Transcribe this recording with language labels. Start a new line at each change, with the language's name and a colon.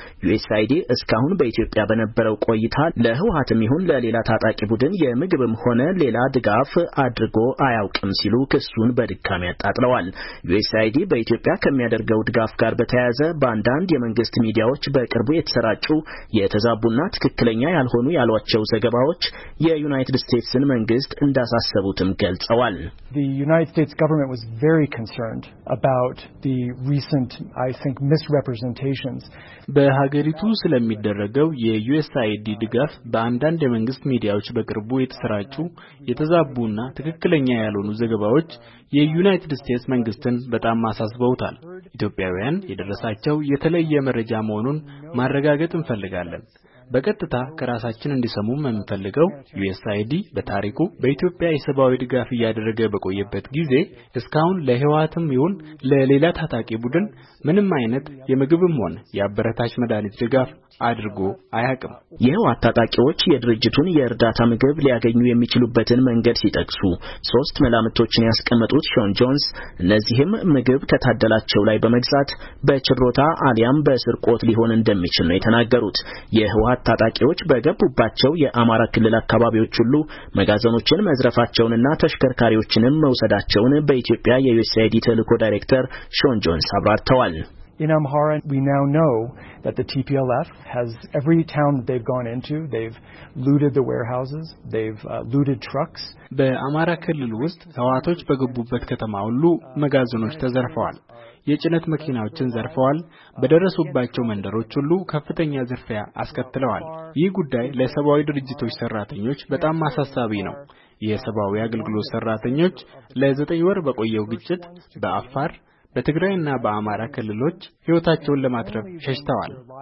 Amharic: USAID እስካሁን በኢትዮጵያ በነበረው ቆይታ ለህወሓትም ይሁን ለሌላ ታጣቂ ቡድን የምግብም ሆነ ሌላ ድጋፍ አድርጎ አያውቅም ሲሉ ክሱን በድጋሚ አጣጥለዋል። USAID በኢትዮጵያ ከመያደርገው ድጋፍ ጋር በተያያዘ በአንዳንድ የመንግስት ሚዲያዎች በቅርቡ የተሰራጩ የተዛቡና ትክክለኛ ያልሆኑ ያሏቸው ዘገባዎች የዩናይትድ ስቴትስን መንግስት እንዳሳሰቡትም ገልጸዋል።
English: The United States government was very concerned about the recent, I think, misrepresentations.
Amharic: በሀገሪቱ ስለሚደረገው የዩኤስአይዲ ድጋፍ በአንዳንድ የመንግስት ሚዲያዎች በቅርቡ የተሰራጩ የተዛቡና ትክክለኛ ያልሆኑ ዘገባዎች የዩናይትድ ስቴትስ መንግስትን በጣም አሳስበውታል። ኢትዮጵያውያን የደረሳቸው የተለየ መረጃ መሆኑን ማረጋገጥ እንፈልጋለን። በቀጥታ ከራሳችን እንዲሰሙም እንፈልጋለን። ዩኤስአይዲ በታሪኩ በኢትዮጵያ የሰብአዊ ድጋፍ ያደረገ በቆየበት ጊዜ እስካሁን ለህወሓትም ይሁን ለሌላ ታጣቂ ቡድን ምንም አይነት የምግብም ሆነ ያበረታች መዳኒት ድጋፍ አድርጎ አያውቅም። የህወሓት ታጣቂዎች የድርጅቱን የእርዳታ ምግብ ሊያገኙ የሚችሉበትን መንገድ ሲጠቅሱ 3 መላምቶችን ያስቀመጡት ሾን ጆንስ እነዚህም ምግብ ከታደላቸው ላይ በመግዛት በችሮታ አሊያም በስርቆት ሊሆን እንደሚችል ነው የተናገሩት። የህወሓት ታጣቂዎች በገቡባቸው የአማራ ክልል አካባቢዎች ሁሉ መጋዘኖችን መዝረፋቸውንና ተሽከርካሪዎችንም መውሰዳቸውን በኢትዮጵያ የዩኤስአይዲ ተልዕኮ ዳይሬክተር ሾን ጆንስ አብራርተዋል።
English: In Amhara, we now know that the TPLF has every town that they've gone into, they've looted the warehouses, they've looted trucks.
Amharic: በአማራ ክልል ውስጥ ህወሓቶች በገቡበት ከተማ ሁሉ መጋዘኖች ተዘርፈዋል። የጭነት መኪናዎችን ዘርፈዋል። በደረሱባቸው መንደሮች ሁሉ ከፍተኛ ዝርፊያ አስከትለዋል። ይህ ጉዳይ ለሰብአዊ ድርጅቶች ሰራተኞች በጣም አሳሳቢ ነው። የሰብአዊ አገልግሎት ሰራተኞች ለ9 ወር በቆየው ግጭት በአፋር በትግራይና በአማራ ክልሎች ህይወታቸውን ለማትረፍ ሸሽተዋል።